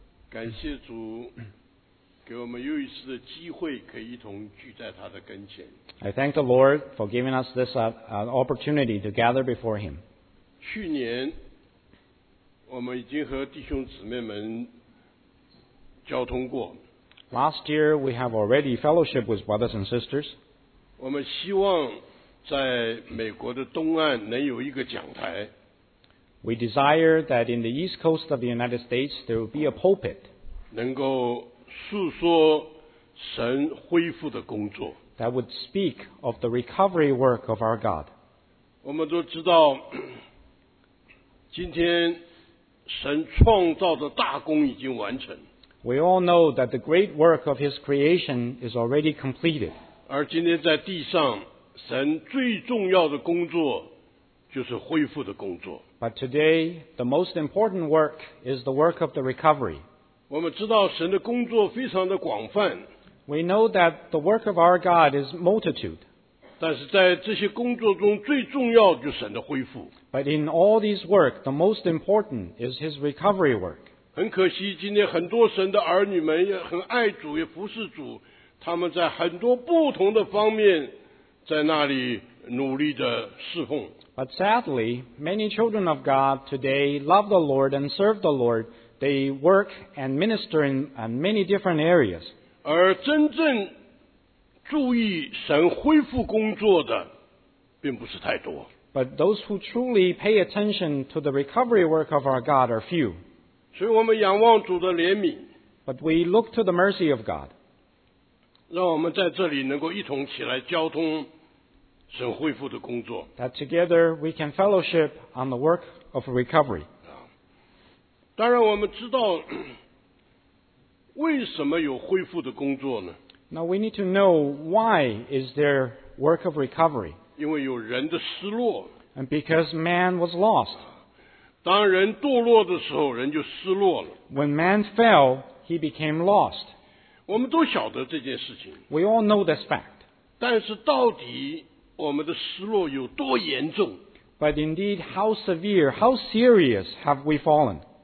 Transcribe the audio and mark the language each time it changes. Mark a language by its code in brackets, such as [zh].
[zh] 感谢主给我们又一次的机会可以一同聚在他的跟前。 [en] I thank the Lord for giving us this opportunity to gather before him. [zh] 去年我们已经和弟兄姊妹们交通过。 [en] Last year, we have already fellowship with brothers and sisters. [zh] 我们希望在美国的东岸能有一个讲台。 [en] We desire that in the East Coast of the United States there will be a pulpit [zh] 能够述说神恢复的工作 [en] that would speak of the recovery work of our God. [zh] 我们都知道今天神创造的大功已经完成 [en] We all know that the great work of His creation is already completed. [zh] 而今天在地上神最重要的工作就是恢复的工作。 [en] But today, the most important work is the work of the recovery. [zh] 我们知道神的工作非常的广泛。 [en] We know that the work of our God is multitude. [zh] 但是在这些工作中最重要就是神的恢复。 [en] But in all these work, the most important is His recovery work. [zh] 很可惜今天很多神的儿女们也很爱主也服侍主他们在很多不同的方面在那里努力的侍奉。 [en] But sadly, many children of God today love the Lord and serve the Lord. They work and minister in many different areas. [zh] 而真正注意神恢复工作的并不是太多。 [en] But those who truly pay attention to the recovery work of our God are few. [zh] 所以我们仰望主的怜悯。 [en] But we look to the mercy of God. [zh] 让我们在这里能够一同起来交通神恢复的工作。 [en] That together we can fellowship on the work of recovery. [zh] 当然我们知道为什么有恢复的工作呢 [en] ？Now we need to know why is there work of recovery. [zh] 因为有人的失落。 [en] And because man was lost. [zh] 当人堕落的时候人就失落了。 [en] When man fell, he became lost. [zh] 我们都晓得这件事情。 [en] We all know this fact. [zh] 但是到底我们的失落有多严重 [en] But indeed, how severe, how serious have we fallen?